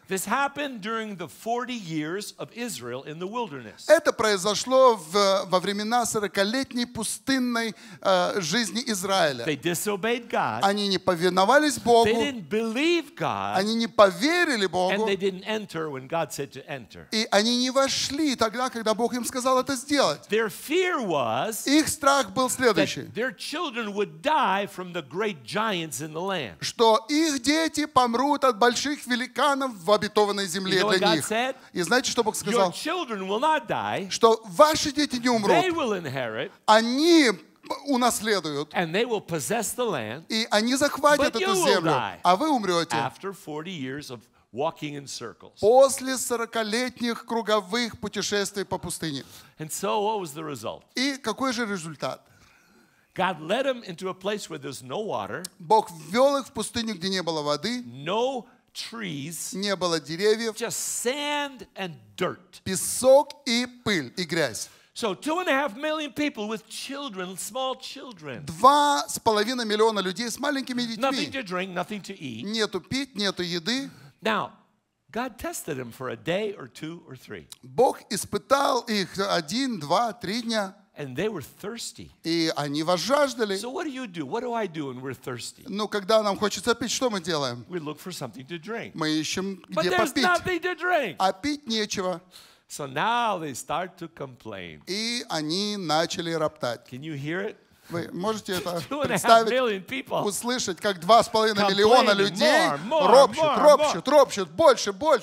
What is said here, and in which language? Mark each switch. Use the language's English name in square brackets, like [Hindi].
[English] This happened during the 40 years of Israel in the wilderness. [Russian] Это произошло во времена 40-летней пустынной жизни Израиля. [English] They disobeyed God. [Russian] Они не повиновались Богу. [English] They didn't believe God. [Russian] Они не поверили Богу. [English] And they didn't enter when God said to enter. [Russian] И они не вошли тогда, когда Бог им сказал это сделать. [English] Their fear was, [Russian] их страх был следующий. [English] Their children would die from the great giants in the land. [Russian] Что их дети помрут от больших великанов в обетованной земле [English] you know [Russian] для них. [English] Said? [Russian] И знаете, что Бог сказал? [English] Your children will not die. [Russian] Что ваши дети не умрут. [English] They will inherit. [Russian] Они унаследуют. [English] And they will possess the land. [Russian] И они захватят эту землю. А вы умрете. [English] After 40 years of walking in circles. [Russian] После 40-летних круговых путешествий по пустыне. [English] And so what was the result? [Russian] И какой же результат? [English] God led them into a place where there's no water. [Russian] Бог ввел их в пустыню, где не было воды. [English] No trees. [Russian] Не было деревьев. [English] Just sand and dirt. [Russian] Песок и пыль и грязь. [English] So 2.5 million people with children, small children. [Russian] 2.5 миллиона людей с маленькими детьми. [English] Nothing to drink, nothing to eat. [Russian] Нету пить, нету еды. [English] Now, God tested them for a day or two or three. [Russian] Бог испытал их один, два, три дня. [English] And they were thirsty. [Russian] И они возжаждали. [English] So what do you do? What do I do when we're thirsty? [Russian] Ну, когда нам хочется пить, что мы делаем? [English] We look for something to drink. [Russian] Мы ищем где попить. [English] But there's nothing to drink. [Russian] А пить нечего. [English] So now they start to complain. [Russian] И они начали роптать. [English] Can you hear it? [Russian] Вы можете это представить, услышать, как 2.5 миллиона людей ропщут, больше.